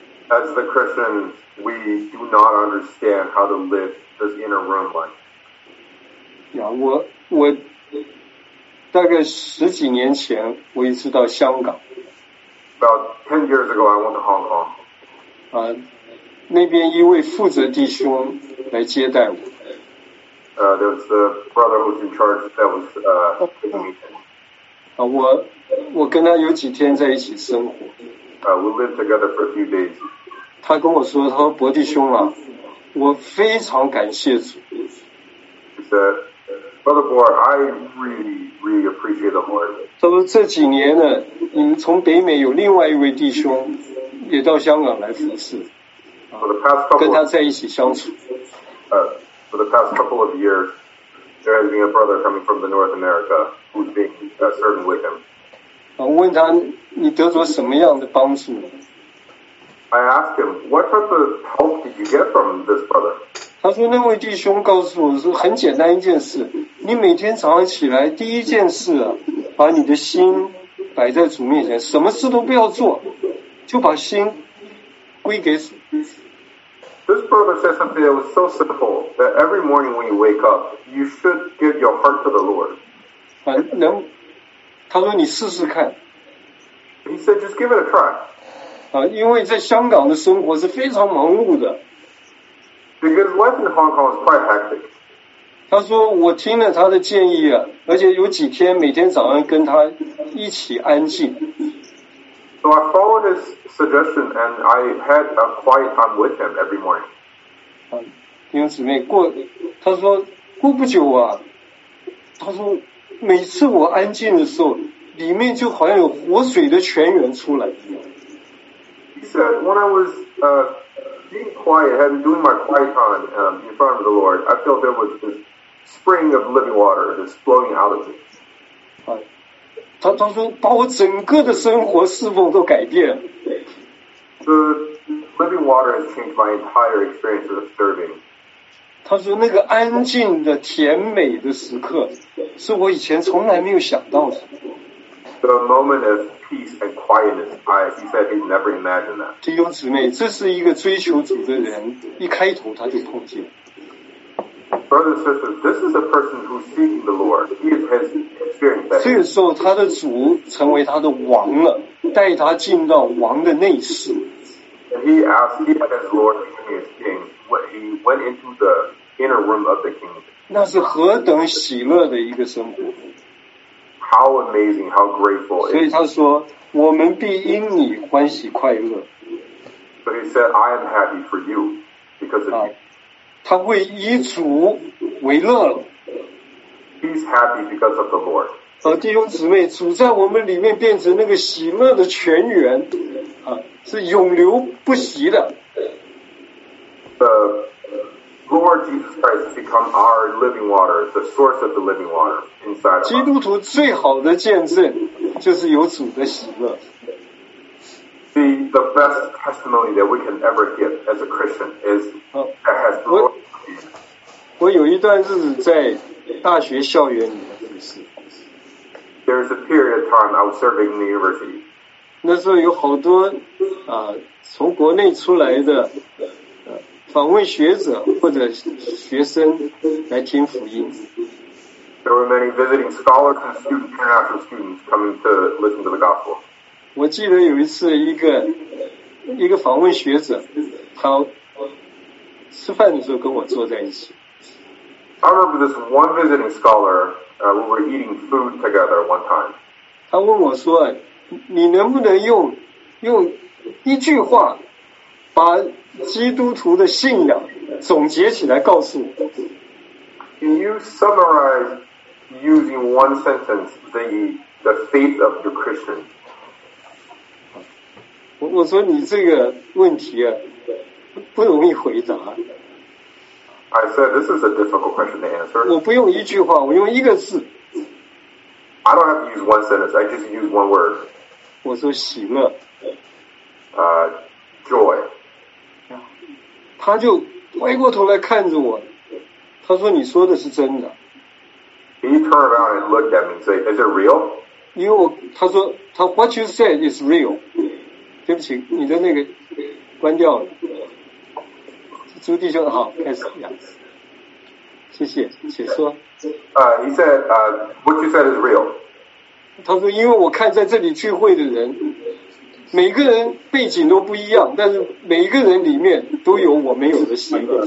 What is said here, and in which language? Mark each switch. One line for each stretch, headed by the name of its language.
English: As the Christians, we do not understand how to live this inner room life.
Chinese: Yeah, 我大概十几年前我一直到香港。
English: About 10 years ago, I went to Hong Kong.
Chinese: 那边一位负责弟兄来接待我。
English: There was a brother who was in charge that was taking me in.
Chinese: 我跟他有几天在一起生活。
English: We lived together for a few days.
Chinese: 他跟我说，他说伯弟兄啊，我非常感谢主。
English: He said, Brother Boar, I really, really appreciate the Lord.
Chinese: 他说这几年呢，你们从北美有另外一位弟兄也到香港来服侍。跟他在一起相处。
English: For the past couple of years, there has been a brother coming from the North America who's been serving with him.
Chinese: 我问他，你得着什么样的帮助？
English: I asked him, what type of help did you get from this brother?
Chinese: 他说那位弟兄告诉我说，很简单一件事，你每天早上起来第一件事啊，把你的心摆在主面前，什么事都不要做，就把心归给主。
English: This brother said something that was so simple that every morning when you wake up, you should give your heart to the Lord.
Chinese: 能，他说你试试看。
English: He said, just give it a try.
Chinese: 因为在香港的生活是非常忙碌的。
English: Because life in Hong Kong is quite hectic.
Chinese: 他说我听了他的建议啊，而且有几天每天早上跟他一起安静。
English: So I followed his suggestion and I had a quiet time with him every morning.
Chinese: 弟兄姊妹，他说过不久啊，他说每次我安静的时候，里面就好像有活水的泉源出来一样。
English: He said when I was being quiet and doing my quiet time in front of the Lord, I felt there was this spring of living water just flowing out of me.
Chinese: 他说把我整个的生活侍奉都改变。
English: The living water has changed my entire experience of serving.
Chinese: 他说那个安静的甜美的时刻是我以前从来没有想到的。
English: The moment of peace and quietness, he said he never imagined that.
Chinese: 弟兄姊妹，这是一个追求主的人一开头他就碰见。
English: Brothers and sisters, this is a person who's seeking the Lord. He has experienced that.
Chinese: 这个时候，他的主成为他的王了，带他进到王的内室。
English: And he asked, he had his Lord become his king. He went into the inner room of the king.
Chinese: 那是何等喜乐的一个生活！
English: How amazing! How grateful!
Chinese: 所以他说，我们必因你欢喜快乐。
English: So he said, I am happy for you because of you.
Chinese: 他会以主为乐了。
English: He's happy because of the Lord.
Chinese: 弟兄姊妹，主在我们里面变成那个喜乐的泉源，是永流不息的。
English: The Lord Jesus Christ has become our living water, the source of the living water inside us.
Chinese: 基督徒最好的见证就是有主的喜乐。
English: The best testimony that we can ever give as a Christian is that has the Lord.
Chinese: 我有一段日子在大学校园里面服侍。
English: There is a period of time I was serving in the university.
Chinese: 那时候有好多从国内出来的访问学者或者学生来听福音。
English: There were many visiting scholars and students, international students coming to listen to the gospel.
Chinese: 我记得有一次一个访问学者，他吃饭的时候跟我坐在一起。
English: I remember this one visiting scholar, we were eating food together one time.
Chinese: 他问我说，你能不能用一句话把基督徒的信仰总结起来告诉我。
English: Can you summarize using one sentence the faith of your Christian?
Chinese: 我说你这个问题啊，不容易回答。
English: I said, this is a difficult question to answer.
Chinese: 我不用一句话，我用一个字。
English: I don't have to use one sentence, I just use one word.
Chinese: 我说喜乐。
English: Joy.
Chinese: 他就歪过头来看着我，他说你说的是真的。
English: Can you turn around and look at me and say, is it real?
Chinese: 因为我他说他
English: what you said is real.
Chinese: 对不起你的那个关掉了。朱弟兄好开始讲。谢谢请说。
English: He said, what you said is real.
Chinese: 他说因为我看在这里聚会的人每个人背景都不一样但是每一个人里面都有我没有的心。